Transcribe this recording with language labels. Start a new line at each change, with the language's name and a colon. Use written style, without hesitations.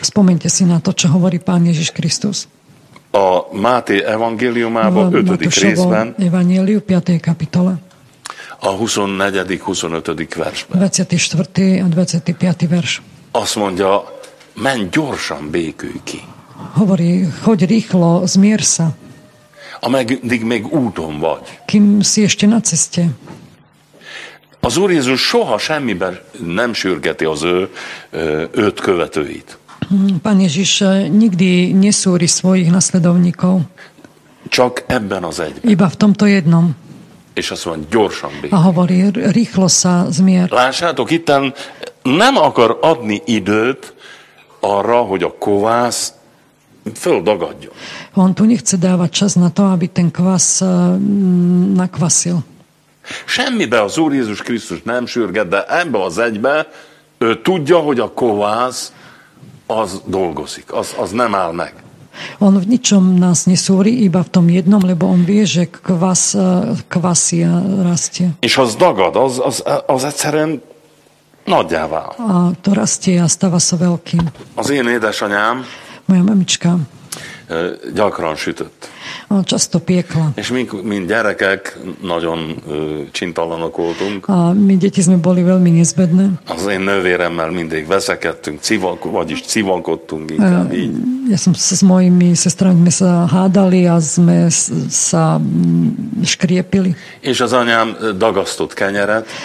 Slovak: Spomeňte si na to, čo hovorí Pán Ježiš Krisztus.
Hungarian: A Máté evangéliumában, 5. részben.
Slovak: Evangéliu, 5. kapitola.
Hungarian: A 24. 25. versben.
Slovak: 24. a 25. vers.
Hungarian: Azt mondja, menj gyorsan, békülj ki.
Slovak: Hovorí, chodj rýchlo, zmier sa.
Hungarian: Ameddig még úton vagy.
Slovak: Kým si ešte na ceste.
Hungarian: Az Úr Jézus soha semmiben nem sürgeti az őt követőit.
Slovak: Pán Ježiš nikdy nesúri svojich nasledovníkov.
Hungarian: Csak ebben az egyben.
Slovak: Iba v tomto jednom.
Hungarian: És azt mondja, gyorsan békülj.
Slovak: A hovorí, rýchlo sa zmier.
Hungarian: Lássátok, itten nem akar adni időt arra, hogy a kovász földagadjon.
Slovak: On tu nechce dávať čas na to, aby ten kvász nakvasil.
Hungarian: Semmibe az Úr Jézus Krisztus nem sürget, de ebbe az egybe ő tudja, hogy a kovász az dolgozik, az nem áll meg.
Slovak: On v ničom nás nesúri, iba v tom jednom, lebo on vie, že kvasia rastie.
Hungarian: És az dagad, az egyszerűen Nagyjává.
Slovak: A to rastie a stáva sa veľkým.
Hungarian: Az én édesanyám.
Slovak: Moja mamička.
Hungarian: Gyakran sütött.
Slovak: A často piekla.
Hungarian: És mi, mint gyerekek, nagyon csintalanok voltunk.
Slovak: A mi deti sme boli veľmi nezbedné.
Hungarian: Az én nővéremmel mindig veszekedtünk, vagyis civakodtunk inkább így.
Slovak: Ja som sa s mojimi sestrami sa hádali a sme sa škriepili.
Hungarian: És az anyám dagasztott kenyeret.